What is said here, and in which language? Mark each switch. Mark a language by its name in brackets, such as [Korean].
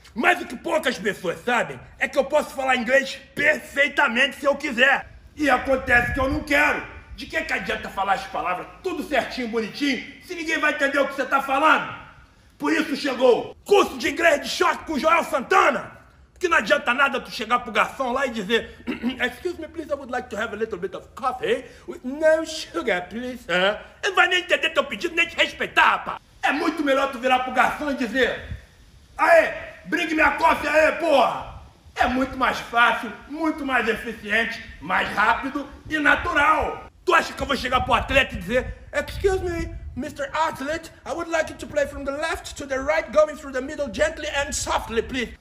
[Portuguese] Mas o que poucas pessoas sabem é que eu posso falar inglês perfeitamente se eu quiser. E acontece que eu não quero. De que adianta falar as palavras tudo certinho, bonitinho, se ninguém vai entender o que você tá falando? Por isso chegou curso de inglês de choque com Joel Santana. Que não adianta nada tu chegar pro garçom lá e dizer: [English] excuse me, please, I would like to have a little bit of coffee with no sugar, please. [Portuguese] Ele não vai nem entender teu pedido, nem te respeitar, rapaz. É muito melhor tu virar pro garçom e dizer: aê, [English] bring me a coffee [Portuguese] aê, porra. É muito mais fácil, muito mais eficiente, mais rápido e natural. Tu acha que eu vou chegar pro atleta e dizer: [English] excuse me, Mr. Athlete, I would like you to play from the left to the right, going through the middle gently and softly, please.